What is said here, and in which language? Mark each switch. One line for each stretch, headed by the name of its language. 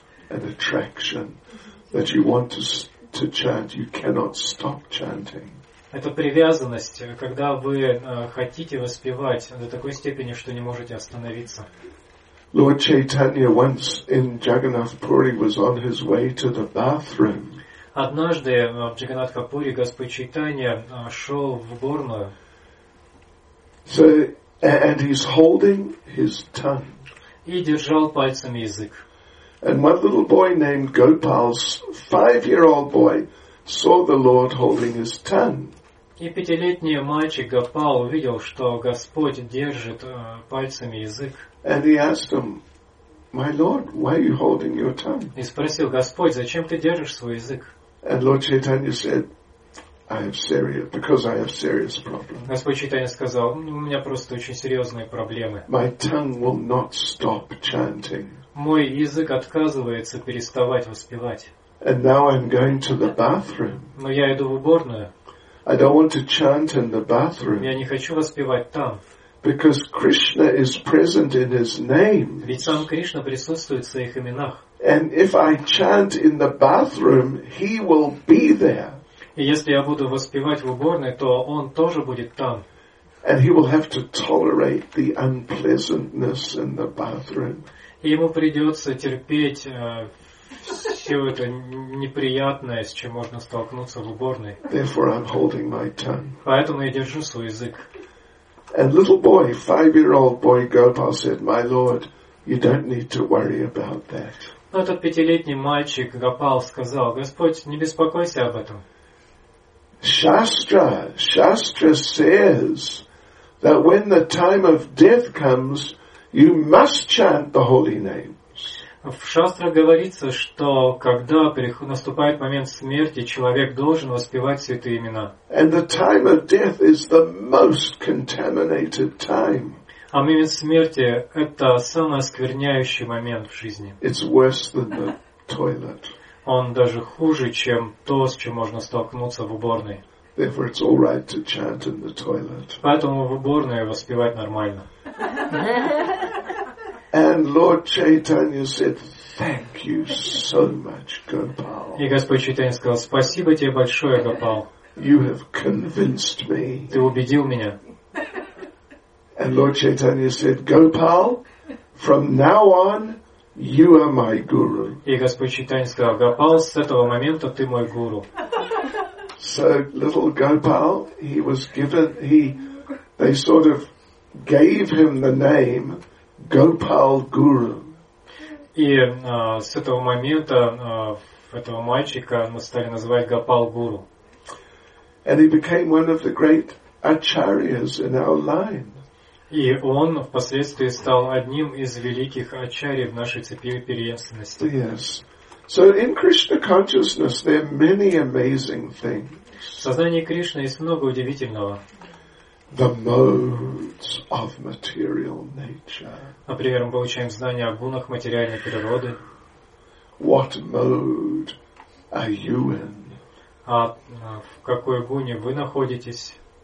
English: An attraction that you want to chant, you cannot stop chanting.
Russian: Это привязанность, когда вы хотите воспевать до такой степени, что не можете остановиться.
English: Lord Chaitanya once in Jagannath Puri was on his way to the bathroom.
Russian: Однажды в Джаганатхапуре Господь Чайтанья шел в горную.
English: So, and he's holding his tongue.
Russian: И держал пальцами язык.
English: And one little boy named Gopal, five-year-old boy, saw the Lord holding his tongue.
Russian: И пятилетний мальчик Гопал увидел, что Господь держит пальцами язык.
English: And he asked him, "My Lord, why are you holding your tongue?"
Russian: И спросил Господь, зачем ты держишь свой язык?
English: And Lord Chaitanya said, "I have serious because I have serious problems."
Russian: Господь Чайтанья сказал, у меня просто очень серьезные проблемы.
English: My tongue will not stop chanting.
Russian: Мой язык отказывается переставать воспевать.
English: And now I'm going to the bathroom.
Russian: Но я иду в уборную.
English: I don't want to chant in the bathroom.
Russian: Я не хочу воспевать там.
English: Because Krishna is present in His name.
Russian: Ведь сам Кришна присутствует в своих именах.
English: And if I chant in the bathroom, He will be there.
Russian: И если я буду воспевать в уборной, то Он тоже будет там.
English: And He will have to tolerate the unpleasantness in the bathroom.
Russian: И ему придется терпеть все это неприятное, с чем можно столкнуться в уборной.
English: Therefore, I'm holding my tongue.
Russian: Поэтому я держу свой язык.
English: And little boy, five-year-old boy Gopal said, "My Lord, you don't need to worry about that."
Russian: Но этот пятилетний мальчик Гопал сказал, Господь, не беспокойся об этом.
English: Shastra says that when the time of death comes, you must chant the holy names.
Russian: В шастрах говорится, что когда наступает момент смерти, человек должен воспевать святые имена.
English: And the time of death is the most contaminated time.
Russian: А момент смерти – это самый оскверняющий момент в жизни.
English: It's worse than the toilet.
Russian: Он даже хуже, чем то, с чем можно столкнуться в уборной.
English: Therefore, it's all right to chant in the toilet.
Russian: Поэтому в уборной воспевать нормально.
English: And Lord Chaitanya said, "Thank you so much, Gopal."
Russian: И Господь Чайтанья сказал, "Спасибо тебе большое, Гопал."
English: You have convinced me.
Russian: Ты убедил меня.
English: And Lord Chaitanya said, "Gopal, from now on, you are my guru."
Russian: И Господь Чайтанья сказал, "Гопал, с этого момента ты мой гуру."
English: So little Gopal, he was given, they sort of gave him the name Gopal Guru.
Russian: И с этого момента этого мальчика мы стали называть Гопал Гуру.
English: And he became one of the great acharyas in our line.
Russian: И он впоследствии стал одним из великих ачарий в нашей цепи преемственности.
English: Yes. So in Krishna consciousness there are many amazing things.
Russian: В сознании Кришны есть много удивительного.
English: The modes of material nature.
Russian: Например, мы получаем знания о гунах материальной природы.
English: What mode are you in?
Russian: А в какой гуне вы находитесь?